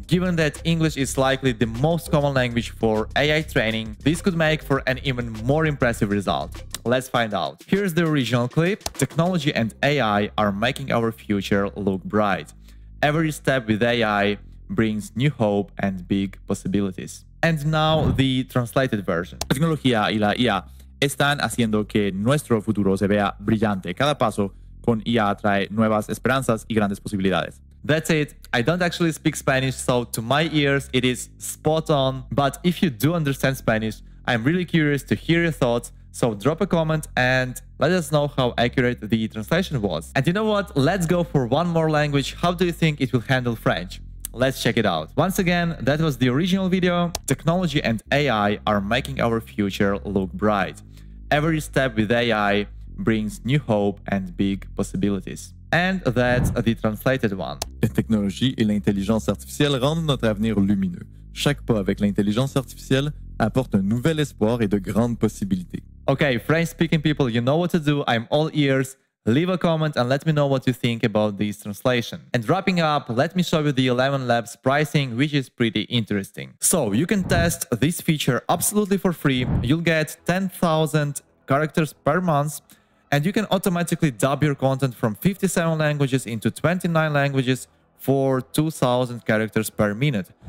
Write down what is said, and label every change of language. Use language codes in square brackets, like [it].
[en] Given that English is likely the most common language for AI training, this could make for an even more impressive result. Let's find out. Here's the original clip. Technology and AI are making our future look bright. Every step with AI brings new hope and big possibilities. And now the translated version. [es] Tecnología y la IA están haciendo que nuestro futuro se vea brillante. Cada paso con IA trae nuevas esperanzas y grandes posibilidades. [en] That's it. I don't actually speak Spanish, so to my ears it is spot on. But if you do understand Spanish, I'm really curious to hear your thoughts. So drop a comment and let us know how accurate the translation was. And you know what? Let's go for one more language. How do you think it will handle French? Let's check it out. Once again, that was the original video. Technology and AI are making our future look bright. Every step with AI brings new hope and big possibilities. And that's the translated one. [fr] La technologie et l'intelligence artificielle rendent notre avenir lumineux. Chaque pas avec l'intelligence artificielle apporte un nouvel espoir et de grandes possibilités. [en] Okay, French-speaking people, you know what to do. I'm all ears. Leave a comment and let me know what you think about this translation. And wrapping up, let me show you the ElevenLabs pricing, which is pretty interesting. So, you can test this feature absolutely for free. You'll get 10,000 characters per month, and you can automatically dub your content from 57 languages into 29 languages for 2,000 characters per minute.